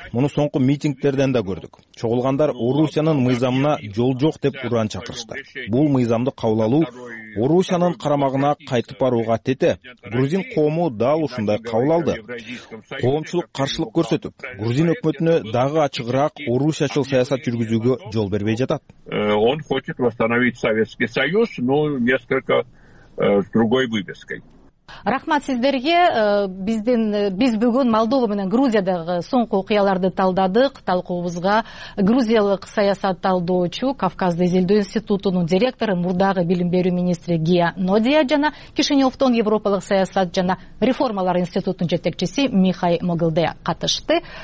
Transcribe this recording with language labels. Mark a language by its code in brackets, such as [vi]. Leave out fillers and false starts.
[ky] Муну соңку митингдерден да көрдүк. Чогулгандар Орусиянын мыйзамына жол жок деп уран чакырышты. Бул мыйзамды кабыл алуу Орусиянын карамагына кайтып барууга тете. Грузин коому дал ушундай кабыл алды. Коомчулук каршылык көрсөтүп, грузин өкмөтүнө дагы ачыгыраак Орусиячыл саясат жүргүзүүгө жол бербей жатат. [ru] Он хочет восстановить Советский Союз, но несколько с другой вывеской. [ky] Рахмат сиздерге. Биз бүгүн Молдова менен Грузиядагы соңку окуяларды талдадык. Талкуубузга грузиялык саясат талдоочу Кавказды изилдөө институтунун директору, мурдагы билим берүү министри Гия Нодия жана Кишиневдон Европалык саясат жана реформалар институтунун жетекчиси Михай Могилде катышты.